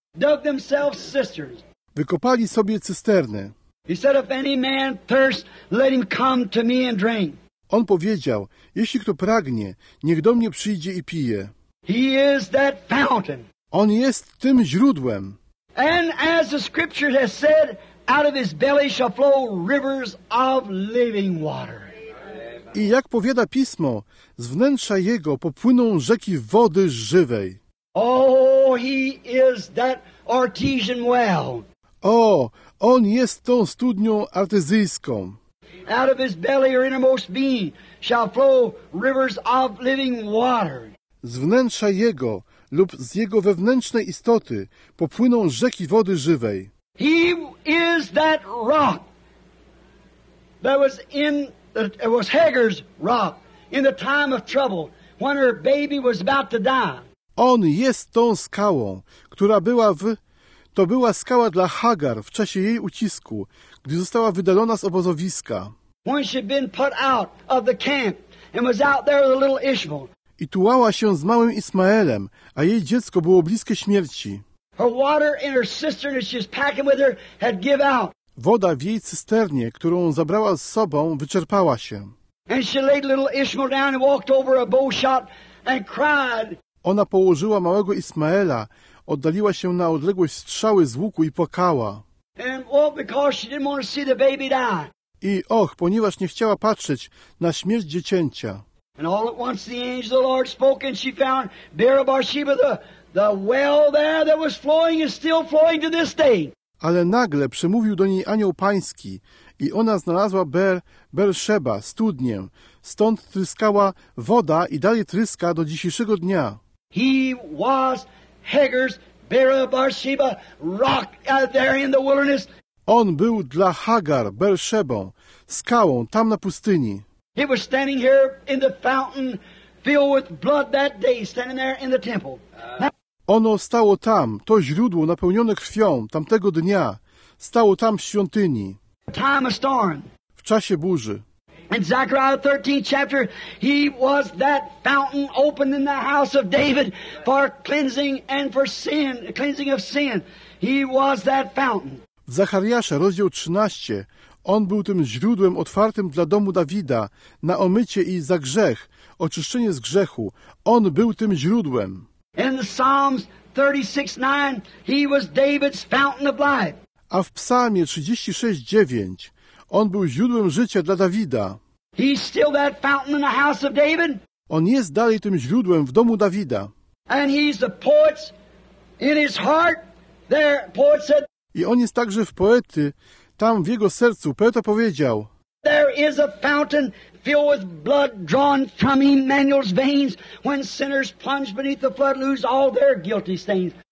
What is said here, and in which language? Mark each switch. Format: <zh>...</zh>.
<en>Dug themselves cisterns.</en> <pl>Wykopali sobie cysterny.</pl> <en>He said, if any man thirst, let him come to me and drink.</en> <pl>On powiedział, jeśli kto pragnie, niech do mnie przyjdzie i pije.</pl> <en>He is that fountain.</en> <pl>On jest tym źródłem.</pl> <en>And as the scripture has said, out of his belly shall flow rivers of living water.</en> <pl>I jak powiada Pismo, z wnętrza Jego popłyną rzeki wody żywej.</pl> <en>Oh, he is that artesian well.</en> <pl>O, on jest tą studnią artezyjską.</pl> <en>Out of his belly or innermost being shall flow rivers of living water.</en> <pl>Z wnętrza Jego lub z Jego wewnętrznej istoty popłyną rzeki wody żywej.</pl> <en>He is that rock that was in it was Hagar's rock in the time of trouble when her baby was about to die.</en> <pl>On jest tą skałą, która była w... To była skała dla Hagar w czasie jej ucisku, gdy została wydalona z obozowiska.</pl> <en>When she'd been put out of the camp and was out there with a little Ishmael.</en> <pl>I tułała się z małym Ismaelem, a jej dziecko było bliskie śmierci.</pl> <en>Her water in her cistern that she's packing with her had give out.</en> <pl>Woda w jej cysternie, którą zabrała z sobą, wyczerpała się.</pl> <en>And she laid little Ishmael down and walked over a bowshot and cried.</en> <pl>Ona położyła małego Ismaela, oddaliła się na odległość strzały z łuku i płakała.</pl> <en>And well, because she didn't want to see the baby die.</en> <pl>I och, ponieważ nie chciała patrzeć na śmierć dziecięcia.</pl> <en>And all at once the angel of the Lord spoke and she found Bera Barsheba, the well there that was flowing is still flowing to this day.</en> <pl>Ale nagle przemówił do niej anioł pański i ona znalazła Beersheba, studnię. Stąd tryskała woda i dalej tryska do dzisiejszego dnia.</pl> <en>He was Hagar's Bera Barsheba rock out there in the wilderness.</en> <pl>On był dla Hagar Beerszebą, skałą tam na pustyni.</pl> <en>He was standing here in the fountain filled with blood that day, standing there in the temple.</en> <pl>Ono stało tam, to źródło napełnione krwią tamtego dnia, stało tam w świątyni.</pl> <en>Time of storm.</en> <pl>W czasie burzy.</pl> <en>In Zechariah 13 chapter, he was that fountain opened in the house of David for cleansing and for sin, cleansing of sin. He was that fountain.</en> <pl>W Zachariasza, rozdział 13, on był tym źródłem otwartym dla domu Dawida na omycie i za grzech, oczyszczenie z grzechu. On był tym źródłem.</pl> <en>In the Psalms 36:9, he was David's fountain of life.</en> <pl>A w Psalmie 36:9, on był źródłem życia dla Dawida.</pl> <en>He's still that fountain in the house of David.</en> <pl>On jest dalej tym źródłem w domu Dawida.</pl> <en>And he's the poet in his heart There, poet said,</en> <pl>I on jest także w poety. Tam w jego sercu poeta powiedział:</pl> <en>There is a fountain filled with blood drawn from Emmanuel's veins when sinners plunge beneath the flood lose all their guilty stains.</en>